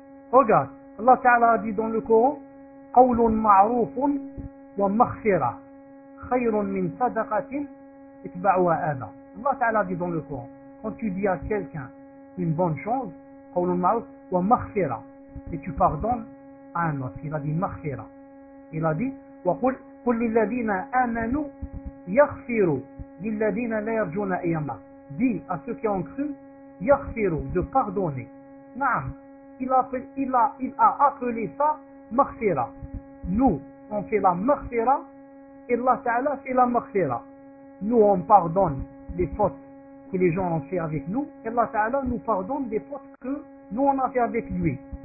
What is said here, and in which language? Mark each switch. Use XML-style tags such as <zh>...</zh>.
<fr>Regarde, Allah Ta'ala a dit dans le Coran,</fr> <ar>قَوْلٌ مَعْرُوفٌ وَمَغْفِرَةٌ خَيْرٌ مِنْ صَدَقَةٍ اتْبَعُهَا أَذًى.</ar> <fr>Allah Ta'ala a dit dans le Coran, quand tu dis à quelqu'un une bonne chose,</fr> <ar>قَوْلٌ مَعْرُوفٌ وَمَغْفِرَةٌ,</ar> <fr>et tu pardonnes à un autre. Il a dit مَغْفِرَةٌ. Il a dit,</fr> <ar>وَقُلْ لِلَّذِينَ آمَنُوا يَغْفِرُوا لِلَّذِينَ لَا يَرْجُونَ أَيَّامًا.</ar> <fr>Dis à ceux qui ont cru, يَغْفِرُوا, de pardonner. Naam, il a appelé ça مَغْفِرَةٌ. Nous, on fait la مَغْفِرَةٌ, et Allah Ta'ala fait la مَغْفِرَةٌ. Nous, on pardonne les fautes que les gens ont fait avec nous, et Allah Ta'ala nous pardonne des fautes que nous on a fait avec lui.</fr>